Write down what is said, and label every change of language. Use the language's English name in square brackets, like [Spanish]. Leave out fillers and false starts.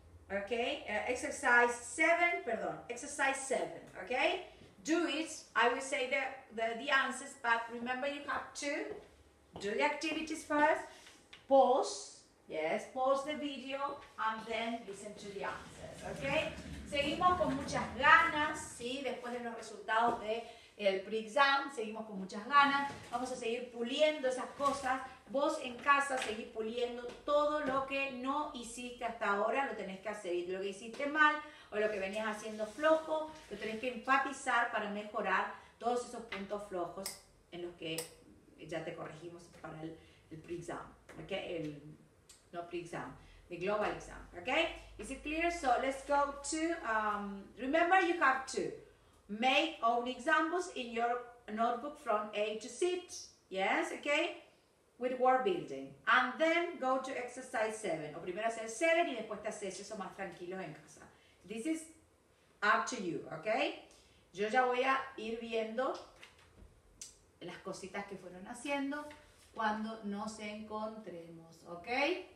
[English] Okay, exercise 7, okay? Do it, I will say the answers, but remember you have to do the activities first, pause, yes, pause the video, and then listen to the answers, okay? [Spanish] Seguimos con muchas ganas, sí, después de los resultados del pre-exam, seguimos con muchas ganas, vamos a seguir puliendo esas cosas. Vos en casa seguís puliendo todo lo que no hiciste hasta ahora, lo tenés que hacer. Y lo que hiciste mal o lo que venías haciendo flojo, lo tenés que enfatizar para mejorar todos esos puntos flojos en los que ya te corregimos para el pre-exam, ¿ok? El, no [English] pre-exam, the global exam, ¿ok? Is it clear? So let's go to, remember you have to make own examples in your notebook from A to Z, yes, ¿ok? With word building, and then go to exercise 7. [Spanish] O primero hacer 7 y después te haces eso más tranquilo en casa. [English] This is up to you, okay? [Spanish] Yo ya voy a ir viendo las cositas que fueron haciendo cuando nos encontremos, okay?